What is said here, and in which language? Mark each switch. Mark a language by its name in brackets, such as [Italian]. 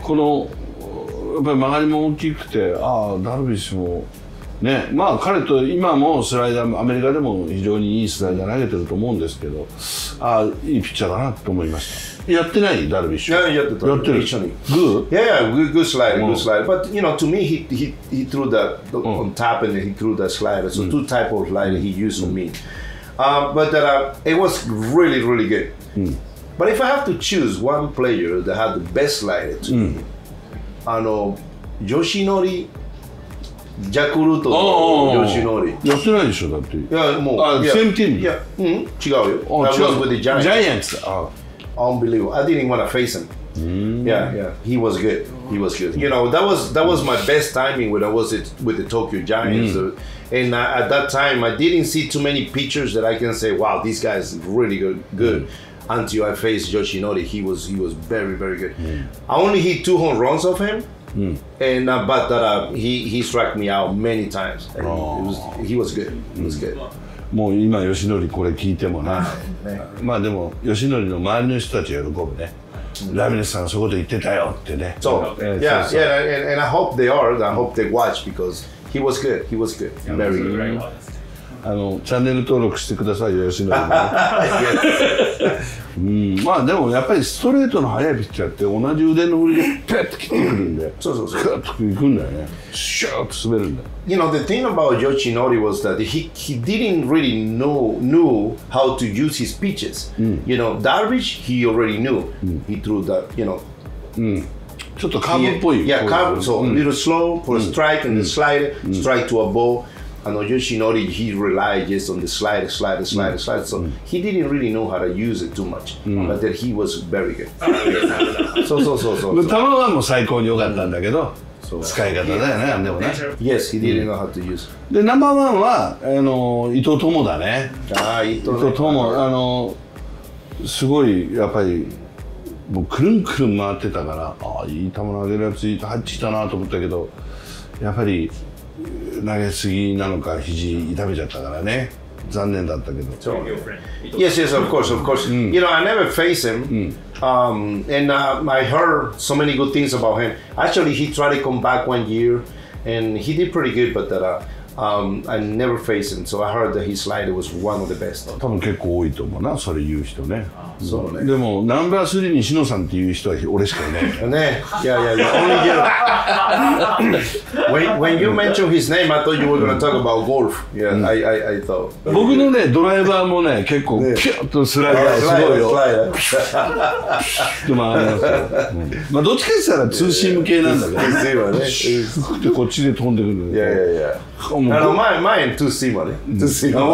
[Japanese] このやっぱり曲がりも大きくて、あダルビッシュもね、まあ彼と今もスライダーアメリカでも非常にいいスライダー投げてると思うんですけど、あいいピッチャーだなと思いました。やってないダルビッシュ。 Yeah, やってる。一緒に。 [English] Good. Yeah, yeah, good slider, good slider. But you know, to me, he threw the on top and he threw the slider. So two type of slider he used on me. But that it was really, really good. But if I have to choose one player that had the best slider to me, [Japanese] あの、ヨシノリ、ジャクルトのヨシノリ。やってないでしょだって。いやもう。 [English] Same team. Yeah. [Japanese] 違うよ。 [English] I was with the Giants. Giants. Unbelievable. I didn't want to face him. Yeah, yeah. He was good. He was good. You know, that was my best timing when I was with the Tokyo Giants. Mm. And at that time, I didn't see too many pitchers that I can say, wow, this guy is really good. Until I faced Yoshinori, he was very, very good. I only hit two home runs of him. And but that he struck me out many times. And he was good. He was good. [Japanese] もう今吉野これ聞いてもな、まあでも吉野の周りの人たちは喜ぶね。ラミレスさんがそういうこと言ってたよってね。 [English] So, yeah, [Japanese] そう。 [English] Yeah, yeah, and I hope they are. I hope they watch because he was good. He was good. Very good. [Japanese] あのチャンネル登録してくださいよ吉野も、ね。うん、まあでもやっぱりストレートの速いピッチャーって同じ腕の振りでペッと来てくるんで、そうそうそう、クッと行くんだよね、シューッと滑るんだよ。 [English] You know, the thing about Yoshinori was that he didn't really knew how to use his pitches.、 [Japanese] うん、 [English] you know, Darvish, he already knew.、うん、he threw that, you know.、 [Japanese] うん、ちょっとカーブっぽい。 [English] Yeah, curve, so、うん、a little slow for a strike、うん、and a slide,、うん、strike to a ball. And Yoshinori, he relied just on the slider, slider, slider, slider. So he didn't really know how to use it too much. But then he was very good. So, so, so, so. [Japanese] The球は最高に良かったんだけど、使い方だよね、でもね。 [English] Yes, he didn't know how to use. [Japanese] で、ナンバーワンは、あの、伊藤友だね。ああ、伊藤友。伊藤友、あの、すごい、やっぱり、もうくるんくるん回ってたから、ああ、いい球投げるやつ、入ってきたなと思ったけど、やっぱり、投げすぎなのか肘痛めちゃったからね、残念だったけど。 [English] So, yes, yes, of course, of course.、うん、you know, I never faced him,、 [Japanese] うん [English] and I heard so many good things about him. Actually, he tried to come back one year, and he did pretty good, but that, I never faced him, so I heard that his slider was one of the best. [Japanese] 多分結構多いと思うな、それ言う人ね。そうね、でもナンバー3に篠さんっていう人は俺しかいないね。いやいやいや、オンリーゲロ。 [English] When you mention his name, I thought you were going to talk about golf. Yeah,、うん、I thought. [Japanese] 僕のね、ドライバーもね、結構ピュッとスライダーすごいよ。スライダー。ピュッと回りますよ。うん、まあ、どっちかって言ったら通信系なんだけど。 SC はね。こっちで飛んでくるんだけど。いやいやいや。前2シームね、2シーム、